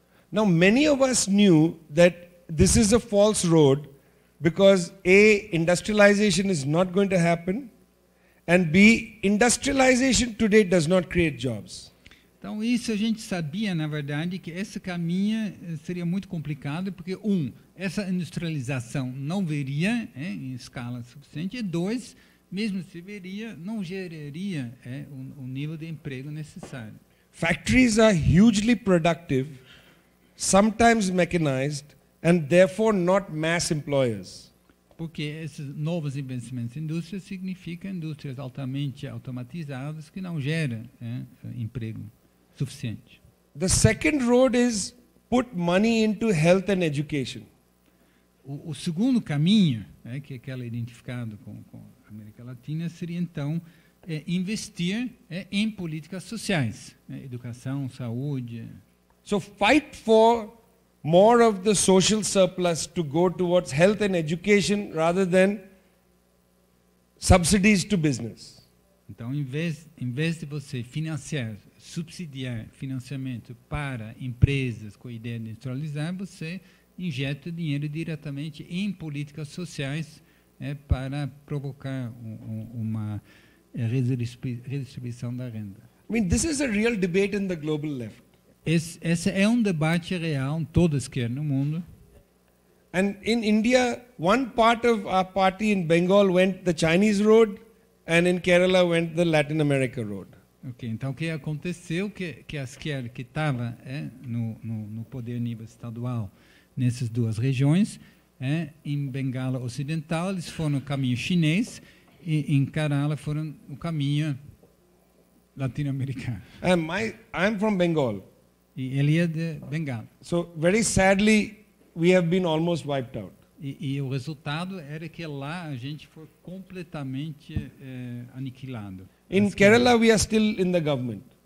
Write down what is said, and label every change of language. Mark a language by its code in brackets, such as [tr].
[en] Now, many of us knew that this is a false road because A, industrialization is not going to happen, and B, industrialization today does not create jobs. [pt] Então, isso a gente sabia, na verdade, que esse caminho seria muito complicado, porque, essa industrialização não viria em escala suficiente, e dois, mesmo se viria, não geraria o nível de emprego necessário. [en] Factories are hugely productive, sometimes mechanized, and therefore not mass employers. [pt] Porque esses novos investimentos em indústrias significa indústrias altamente automatizadas que não geram emprego suficiente. [en] The second road is put money into health and education. [pt] O segundo caminho, que é aquela identificado com a América Latina, seria então investir em políticas sociais, educação, saúde. [en] So fight for more of the social surplus to go towards health and education rather than subsidies to business. [pt] Então, em vez de você subsidiar financiamento para empresas com a ideia de industrializar, você injeta dinheiro diretamente em políticas sociais para provocar uma redistribuição da renda. [en] I mean, this is a real debate in the global left. [pt] Esse é um debate real em toda a esquerda no mundo. [en] And in India, one part of our party in Bengal went the Chinese road, and in Kerala went the Latin America road. [pt] Ok, então o que aconteceu que a esquerda que estava no poder a nível estadual nessas duas regiões, em Bengala Ocidental eles foram o caminho chinês e em Kerala foram o caminho latino-americano. [en] I'm from Bengal. [pt] E ele é de Bengala. [en] So very sadly, we have been almost wiped out. [pt] E o resultado era que lá a gente foi completamente aniquilado. [en] In Kerala, we are still in the government.